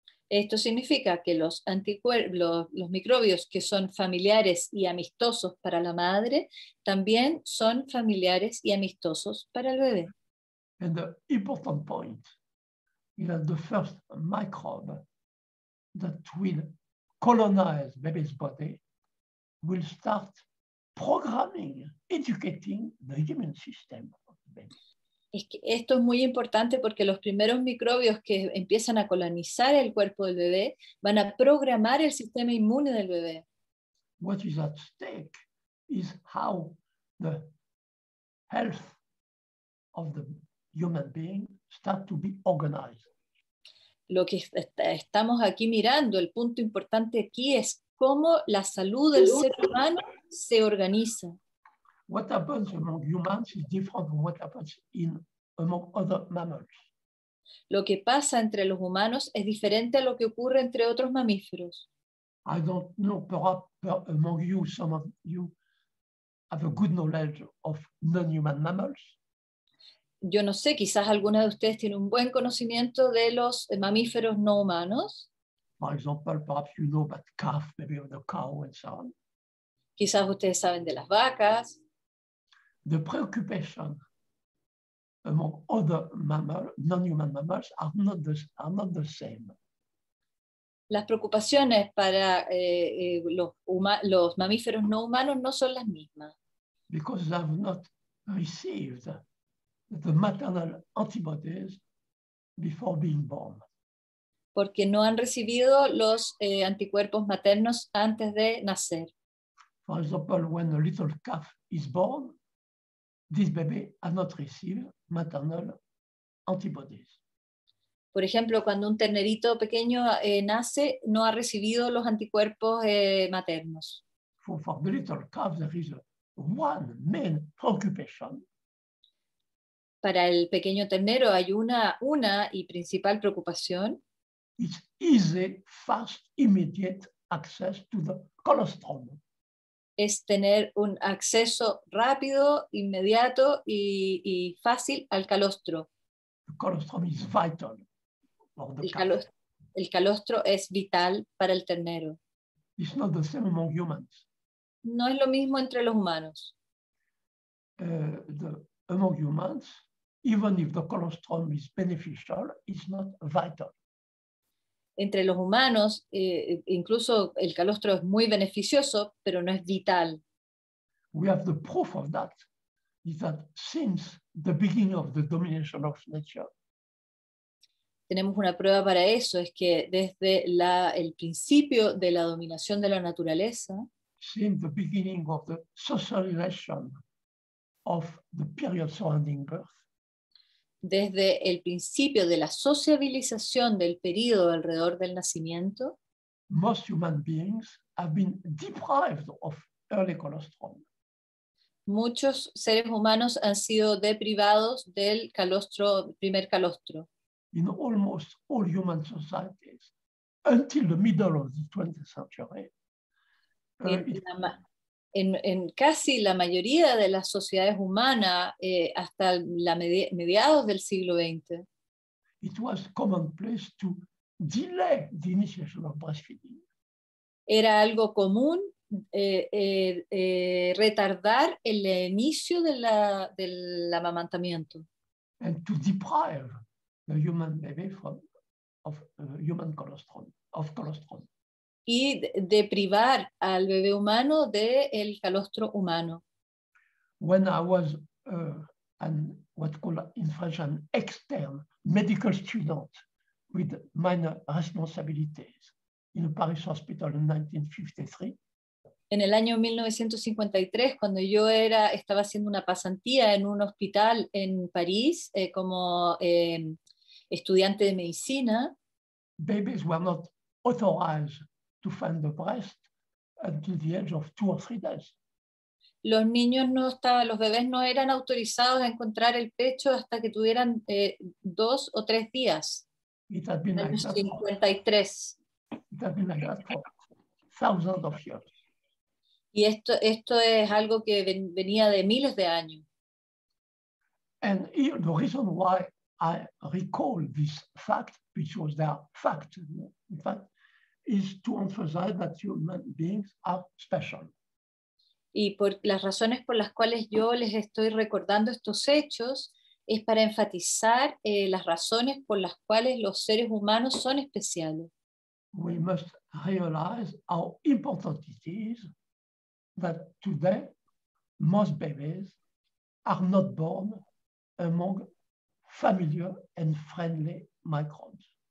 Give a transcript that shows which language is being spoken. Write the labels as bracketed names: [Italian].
[Spanish] Esto significa que los microbios que son familiares y amistosos para la madre también son familiares y amistosos para el bebé. [English] And the important point is that the first microbe that will colonize baby's body will start programming, educating the immune system of the baby. [Spanish] Es que esto es muy importante porque los primeros microbios que empiezan a colonizar el cuerpo del bebé van a programar el sistema inmune del bebé. [English] What is at stake is how the health of the human being start to be organized. [Spanish] Lo que estamos aquí mirando, el punto importante aquí es cómo la salud del ser humano se organiza. [English] What happens among humans is different from what happens in among other mammals. [Spanish] Lo que pasa entre los humanos es diferente a lo que ocurre entre otros mamíferos. [English] I don't know, perhaps among you, some of you have a good knowledge of non-human mammals. [Spanish] Yo no sé, quizás alguna de ustedes tiene un buen conocimiento de los mamíferos no humanos. [English] For example, perhaps you know about calf, maybe of the cow and so on. [Spanish] Quizás ustedes saben de las vacas. [English] The preoccupation among other mammals, non-human mammals, are not the same. [Spanish] Las preocupaciones para los mamíferos no humanos no son las mismas. [English] Because they have not received the maternal antibodies before being born. [Spanish] Porque no han recibido los anticuerpos maternos antes de nacer. [English] For example, when a little calf is born, this baby has not received maternal antibodies. [Spanish] Por ejemplo, cuando un ternerito pequeño nace, no ha recibido los anticuerpos maternos. [English] For the little calf, there is one main preoccupation. [Spanish] Para el pequeño ternero hay una y principal preocupación. [English] It's easy, fast, immediate access to the colostrum. [Spanish] Es tener un acceso rápido, inmediato y fácil al calostro. [English] The colostrum is vital for the [Spanish] el calostro es vital para el ternero. [English] It's not the same among humans. [Spanish] No es lo mismo entre los humanos. [English] Among humans, even if the colostrum is beneficial, it's not vital. [Spanish] Entre los humanos, incluso el calostro es muy beneficioso, pero no es vital. [English] We have the proof of that, is that since the beginning of the domination of nature. [Spanish] Tenemos una prueba para eso, es que desde el principio de la dominación de la naturaleza, [English] since the beginning of the socialization of the period surrounding birth, [Spanish] desde el principio de la sociabilización del periodo alrededor del nacimiento, [English] most human beings have been deprived of early colostrum. [Spanish] Muchos seres humanos han sido deprivados del calostro, primer calostro. [English] In almost all human societies, until the middle of the 20th century, [Spanish] En casi la mayoría de las sociedades humanas hasta mediados del siglo XX. [English] It was commonplace to delay the initiation of breastfeeding. [Spanish] Era algo común retardar el inicio del amamantamiento. [English] And to deprive the human baby human colostrum, of colostrum. [Spanish] Y de privar al bebé humano del calostro humano. [English] When I was what called in French an externe medical student with minor responsibilities in a Paris hospital in 1953. [Spanish] En el año 1953, cuando yo estaba haciendo una pasantía en un hospital en París como estudiante de medicina. [English] Babies were not authorized to find the breast until the age of 2 or 3 days. [Spanish] Los niños no estaban, los bebés no eran autorizados a encontrar el pecho hasta que tuvieran 2 o 3 días. [English] It had been like that. It had been like that for thousands of years. [Spanish] Y esto es algo que venía de miles de años. [English] And the reason why I recall this fact, which was their fact, in fact, is to emphasize that human beings are special. [Spanish] Y por las razones por las cuales yo les estoy recordando estos hechos es para enfatizar las razones por las cuales los seres humanos son especiales. [English] We must realize how important it is that today most babies are not born among familiar and friendly microbes.